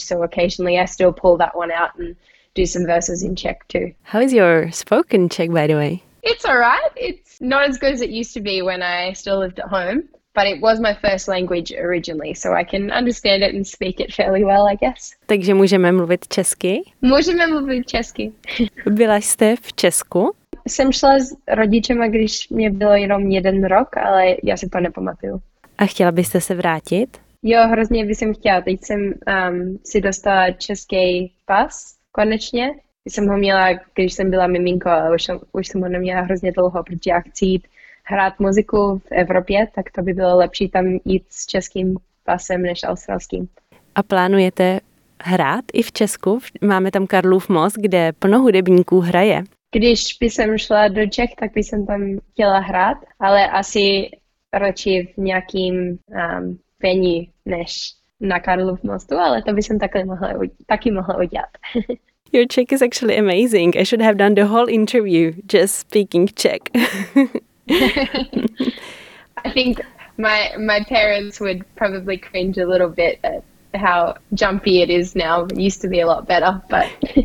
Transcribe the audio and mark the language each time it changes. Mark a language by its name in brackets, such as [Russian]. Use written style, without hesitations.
[English] So occasionally I still pull that one out and do some verses in Czech too. How is your spoken Czech, by the way? It's all right. It's not as good as it used to be when I still lived at home, but it was my first language originally, so I can understand it and speak it fairly well, I guess. [Czech] Takže můžeme mluvit česky? Můžeme mluvit česky. Byla jste v Česku? Jsem šla s rodičema, když mě bylo jenom 1 rok, ale já si to nepamatuju. A chtěla byste se vrátit? Jo, hrozně bych jsem chtěla. Teď jsem si dostala český pas konečně. Jsem ho měla, když jsem byla miminko, ale už jsem ho neměla hrozně dlouho, protože já chci jít hrát muziku v Evropě, tak to by bylo lepší tam jít s českým pasem než australským. A plánujete hrát i v Česku? Máme tam Karlův most, kde plno hudebníků hraje. Když by jsem šla do Čech, tak by jsem tam chtěla hrát, ale asi radši v nějakým pení než na Karlův mostu, ale to by jsem taky mohla udělat. [English] Your Czech is actually amazing. I should have done the whole interview just speaking Czech. I think my parents would probably cringe a little bit at how jumpy it is now. It used to be a lot better, but